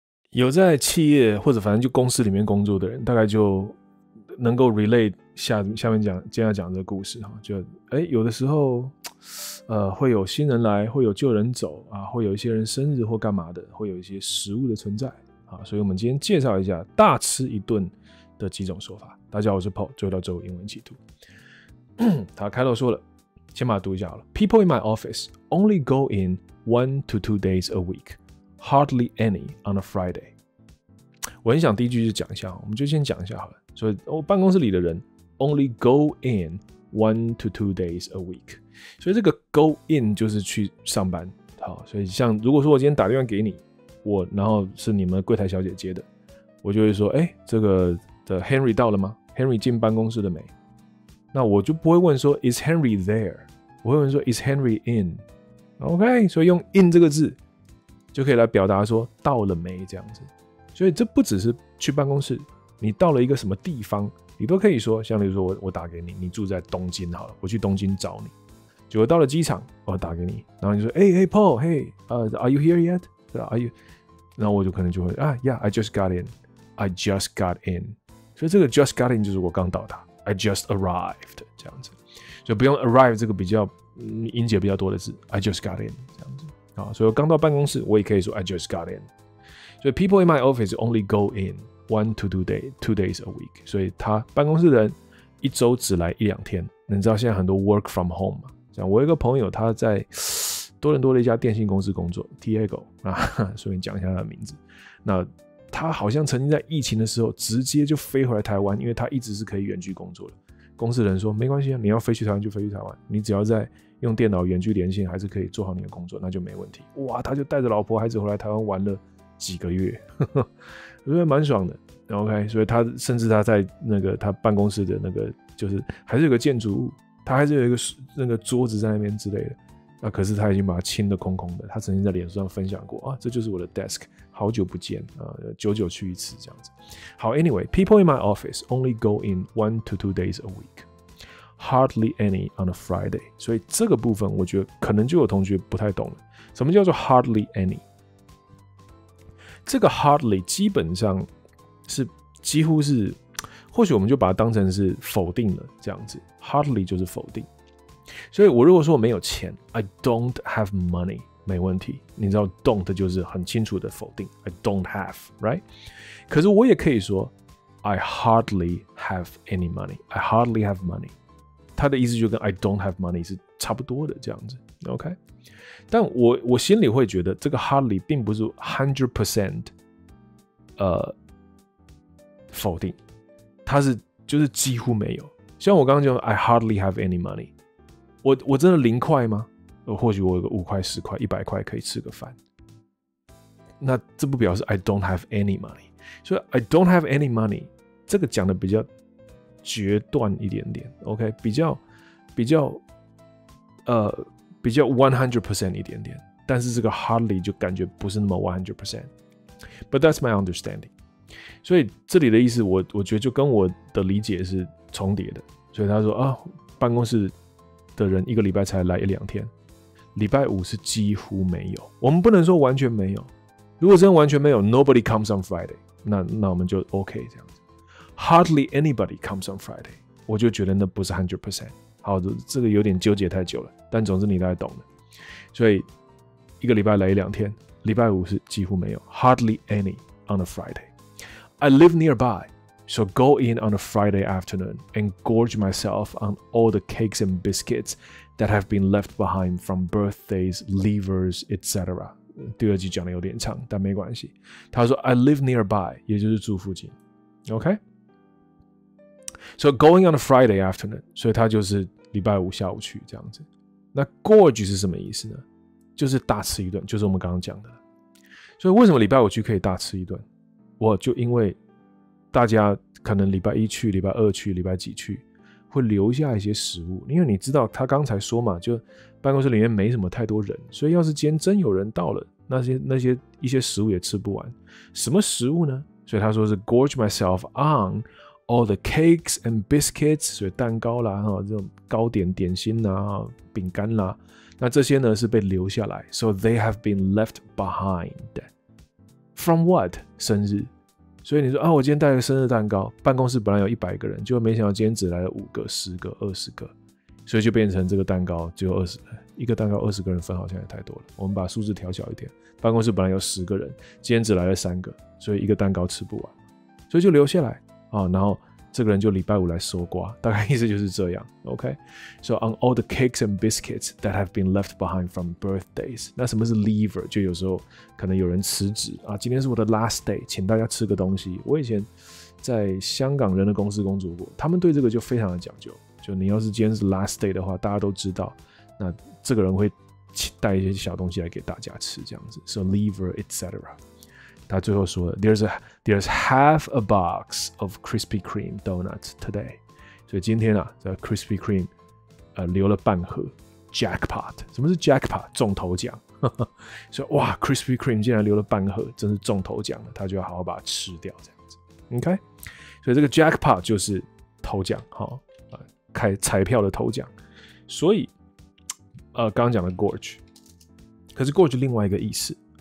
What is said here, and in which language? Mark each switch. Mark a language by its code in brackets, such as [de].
[zh] 有在企业或者反正就公司里面工作的人，大概就能够 relate 下面讲今天要讲这个故事，就有的时候会有新人来，会有旧人走啊，会有一些人生日或干嘛的，会有一些食物的存在啊，所以我们今天介绍一下大吃一顿的几种说法。大家好，我是 Paul， 最后到最后英文企图。他开头说了，先把它读一下好了。 [en] People in my office only go in 1 to 2 days a week, hardly any on a Friday。 [zh] 我很想第一句就讲一下，我们就先讲一下好了。所以办公室里的人 [en] only go in 1 to 2 days a week， [zh] 所以这个 go in 就是去上班。好，所以像如果说我今天打电话给你，我然后是你们柜台小姐接的，我就会说，哎，这个的 Henry 到了吗？ Henry 进办公室了没？那我就不会问说 [en] is Henry there， [zh] 我会问说 [en] is Henry in。 [zh] OK， 所以用 in 这个字就可以来表达说到了没这样子。所以这不只是去办公室，你到了一个什么地方，你都可以说，像例如说 我打给你，你住在东京好了，我去东京找你。结果到了机场，我打给你，然后你说， [en] Hey Paul, are you here yet？ Are you？ [zh] 然后我就可能就会啊 [en] ，Yeah，I just got in， I just got in。 [zh] 所以这个 just got in 就是我刚到达 ， [en] I just arrived [zh] 这样子，就不用 arrive 这个比较音节比较多的字 ， [en] I just got in [zh] 这样子啊。所以我刚到办公室，我也可以说 [en] I just got in。 [zh] 所以 [en] people in my office only go in。 1 to 2 days a week， [zh] 所以他办公室的人一周只来一两天。你知道现在很多 [en] work from home [zh] 嘛？像我有一个朋友，他在多伦多的一家电信公司工作 ，Tiago 啊，顺便讲一下他的名字。那他好像曾经在疫情的时候直接就飞回来台湾，因为他一直是可以远距工作的。公司的人说没关系啊，你要飞去台湾就飞去台湾，你只要在用电脑远距连线，还是可以做好你的工作，那就没问题。哇，他就带着老婆孩子回来台湾玩了几个月。所以蛮爽的 ，OK。所以他甚至他在那个他办公室的那个，就是还是有个建筑物，他还是有一个那个桌子在那边之类的。那、啊、可是他已经把它清得空空的。他曾经在脸书上分享过啊，这就是我的 desk， 好久不见啊，久久去一次这样子。 [en] 好 ，Anyway， people in my office only go in 1 to 2 days a week， hardly any on a Friday。 [zh] 所以这个部分我觉得可能就有同学不太懂了，什么叫做 hardly any？这个 hardly 基本上是几乎是，或许我们就把它当成是否定了这样子。 hardly 就是否定，所以我如果说我没有钱 ， [en] I don't have money， [zh] 没问题。你知道 don't 就是很清楚的否定 ， [en] I don't have， right？ [zh] 可是我也可以说 ， [en] I hardly have any money， I hardly have money。 [zh] 它的意思就跟 [en] I don't have money [zh] 是差不多的这样子 ，OK。但 我心里会觉得这个 hardly 并不是 100% 否定，它是就是几乎没有。像我刚刚讲 [en] I hardly have any money， [zh] 我真的零块吗？或许我有个5块、10块、100块可以吃个饭，那这不表示 [en] I don't have any money。 [zh] 所以 [en] I don't have any money [zh] 这个讲的比较决断一点点， OK， 比较 100% 一点点，但是这个 hardly 就感觉不是那么 100%。 [en] But that's my understanding。 [zh] 所以这里的意思我觉得就跟我的理解是重叠的。所以他说啊，办公室的人一个礼拜才来一两天，礼拜五是几乎没有。我们不能说完全没有，如果真的完全没有， [en] nobody comes on Friday， [zh] 那我们就 OK 这样子。 [en] hardly anybody comes on Friday， [zh] 我就觉得那不是 100%。好，这个有点纠结太久了，但总之你大概懂了。所以一个礼拜来一两天，礼拜五是几乎没有 ， [en] hardly any on a Friday。 I live nearby, so go in on a Friday afternoon and gorge myself on all the cakes and biscuits that have been left behind from birthdays, leavers, etc. [zh] 第二句讲的有点长，但没关系。他说 [en] I live nearby， [zh] 也就是住附近 ，OK。 [en] So going on a Friday afternoon， [zh] 所以他就是礼拜五下午去这样子。那 gorge 是什么意思呢？就是大吃一顿，就是我们刚刚讲的。所以为什么礼拜五去可以大吃一顿？我就因为大家可能礼拜一去、礼拜二去、礼拜几去，会留下一些食物。因为你知道他刚才说嘛，就办公室里面没什么太多人，所以要是今天真有人到了，那些一些食物也吃不完。什么食物呢？所以他说是 [en] gorge myself on。 All the cakes and biscuits， [zh] 所以蛋糕啦，这种糕点、点心啦，饼干啦，那这些呢是被留下来 ， [en] so they have been left behind。 from what [zh] 生日，所以你说啊，我今天带了生日蛋糕，办公室本来有100个人，结果没想到今天只来了5个、10个、20个，所以就变成这个蛋糕只有20个，一个蛋糕20个人分好像也太多了，我们把数字调小一点，办公室本来有10个人，今天只来了3个，所以一个蛋糕吃不完，所以就留下来啊，然后这个人就礼拜五来收瓜，大概意思就是这样。 [en] OK， So on all the cakes and biscuits that have been left behind from birthdays， [zh] 那什么是 leaver， 就有时候可能有人辞职啊，今天是我的 last day， 请大家吃个东西。我以前在香港人的公司工作过，他们对这个就非常的讲究，就你要是今天是 last day 的话，大家都知道，那这个人会带一些小东西来给大家吃，这样子。 [en] So leaver etc。 [zh] 他最后说 ， [en] There's half a box of Krispy Kreme donuts today， [zh] 所以今天啊，这 Krispy Kreme 留了半盒 ，jackpot， 什么是 jackpot？中头奖，所以哇 ，Krispy Kreme 竟然留了半盒，真是中头奖了，他就要好好把它吃掉，这样子 ，OK？所以这个 jackpot 就是头奖，哈、哦，开彩票的头奖，所以刚刚讲的 gorge， 可是 gorge 另外一个意思。